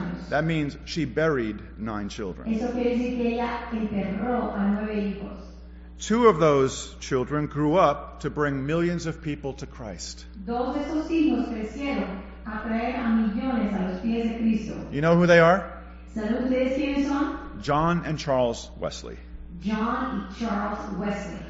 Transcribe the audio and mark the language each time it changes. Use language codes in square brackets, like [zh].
[en] That means she buried 9 children. [es] Eso quiere decir que ella enterró a 9 hijos. [en] 2 of those children grew up to bring millions of people to Christ. [es] Dos de esos hijos crecieron a traer a millones a los pies de Cristo. [en] You know who they are? [es] ¿Saben ustedes quiénes son? [en] John and Charles Wesley. John and Charles Wesley.